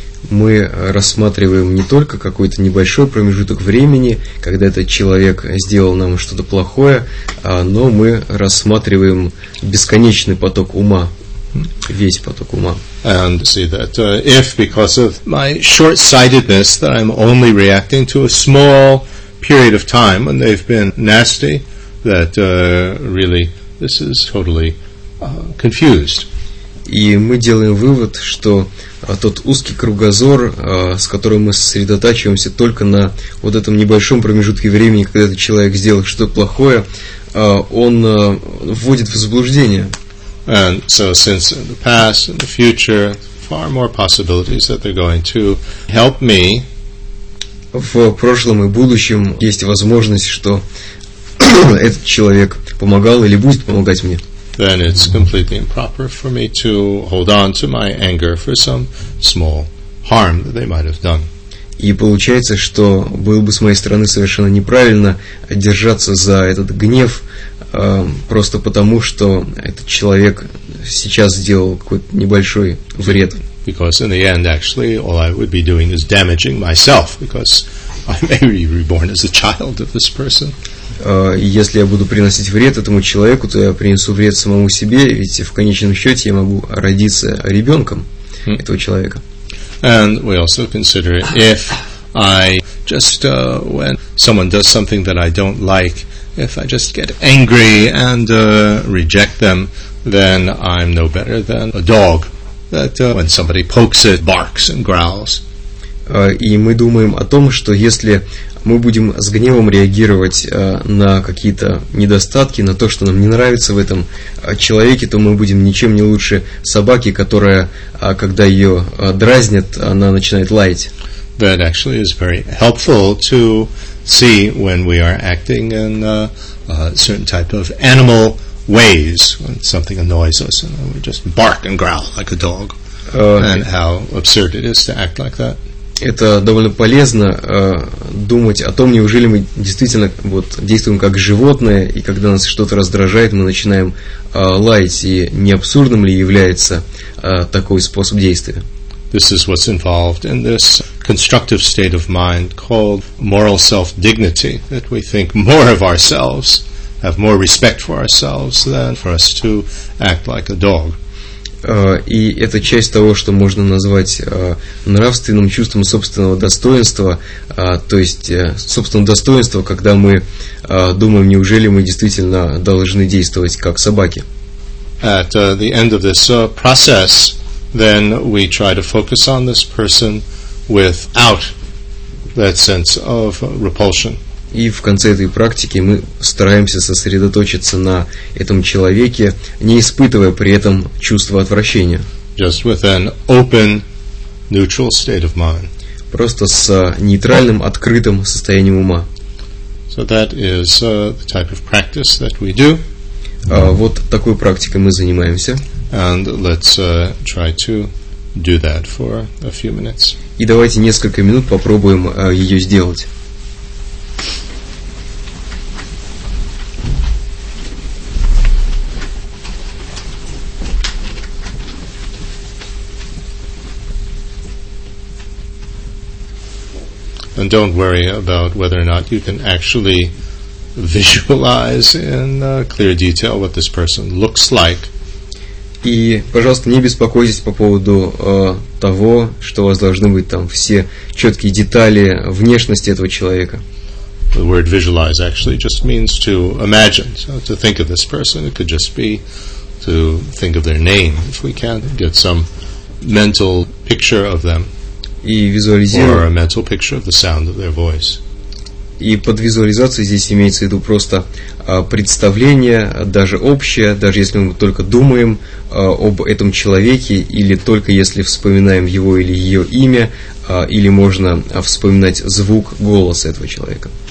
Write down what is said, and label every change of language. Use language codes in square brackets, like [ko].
[ru] мы рассматриваем не только какой-то небольшой промежуток времени, когда этот человек сделал нам что-то плохое, но мы рассматриваем бесконечный поток ума, весь поток ума. [en] And see that if because of my short-sightedness that I'm only reacting to a small period of time when they've been nasty, that really this is totally confused. [ru] И мы делаем вывод, что тот узкий кругозор, с которым мы сосредотачиваемся только на вот этом небольшом промежутке времени, когда этот человек сделал что-то плохое, он вводит в заблуждение. [en] And so since in the past, in the future, far more possibilities that they're going to help me. [ru] В прошлом и будущем есть возможность, что этот человек помогал или будет помогать мне. [en] Then it's completely improper for me to hold on to my anger for some small harm that they might have done. [ru] И получается, что было бы с моей стороны совершенно неправильно держаться за этот гнев просто потому, что этот человек сейчас сделал какой-то небольшой вред. [en] Because in the end, actually, all I would be doing is damaging myself, because I may be reborn as a child of this person. [ru] Если я буду приносить вред этому человеку, то я принесу вред самому себе, ведь в конечном счете я могу родиться ребенком этого человека. [en] And we also consider if I just when someone does something that I don't like, if I just get angry and reject them, then I'm no better than a dog that when somebody pokes it, barks and growls. [ru] И мы думаем о том, что если мы будем с гневом реагировать на какие-то недостатки, на то, что нам не нравится в этом человеке, то мы будем ничем не лучше собаки, которая, когда ее дразнят, она начинает лаять. [en] That actually is very helpful to see when we are acting in a certain type of animal ways, when something annoys us, and we just bark and growl like a dog, and how absurd it is to act like that. [ru] Это довольно полезно думать о том, неужели мы действительно вот, действуем как животное, и когда нас что-то раздражает, мы начинаем лаять, и не абсурдным ли является такой способ действия. [en] This is what's involved in this constructive state of mind called moral self-dignity, that we think more of ourselves, have more respect for ourselves than for us to act like a dog. [ru] И это часть того, что можно назвать нравственным чувством собственного достоинства, то есть собственного достоинства, когда мы думаем, неужели мы действительно должны действовать как собаки. [en] At the end of this process, then we try to focus on this person without that sense of repulsion. [ru] И в конце этой практики мы стараемся сосредоточиться на этом человеке, не испытывая при этом чувства отвращения. [en] Just with an open, neutral state of mind. [ru] Просто с нейтральным, открытым состоянием ума. [en] So that is the type of practice that we do. [ru] Вот такой практикой мы занимаемся. [en] And let's try to do that for a few minutes. [ru] И давайте несколько минут попробуем ее сделать. [en] And don't worry about whether or not you can actually visualize in clear detail what this person looks like. [ru] И, пожалуйста, не беспокойтесь по поводу того, что у вас должны быть там все четкие детали внешности этого человека. [en] The word visualize actually just means to imagine, so to think of this person. It could just be to think of their name, if we can get some mental picture of them. [ru] И визуализировать. [en] Or a mental picture of the sound of their voice. [ru] И под визуализацией здесь имеется в виду просто представление, даже общее, даже если мы только думаем об этом человеке, или только если вспоминаем его или ее имя, или можно вспоминать звук голоса этого человека.